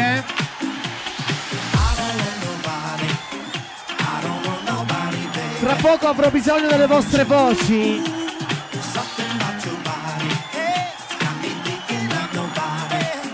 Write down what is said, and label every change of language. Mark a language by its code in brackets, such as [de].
[en] I don't want nobody. I don't want nobody, baby. [it] Tra poco avrò bisogno delle vostre voci. [en] Something about your body. Hey. Got me thinking about nobody.